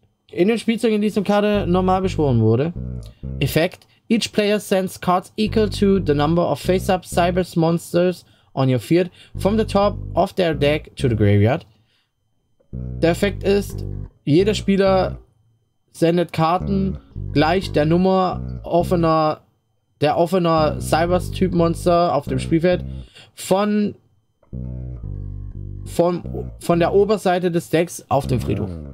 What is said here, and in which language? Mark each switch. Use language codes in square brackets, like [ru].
[de] In dem Spielzeug, in diesem Karte normal beschworen wurde. Effekt. [en] Each player sends cards equal to the number of face-up cyber monsters on your field from the top of their deck to the graveyard. [de] Der Effekt ist, jeder Spieler sendet Karten gleich der Nummer offener Cyber-Typ-Monster auf dem Spielfeld von der Oberseite des Decks auf dem Friedhof.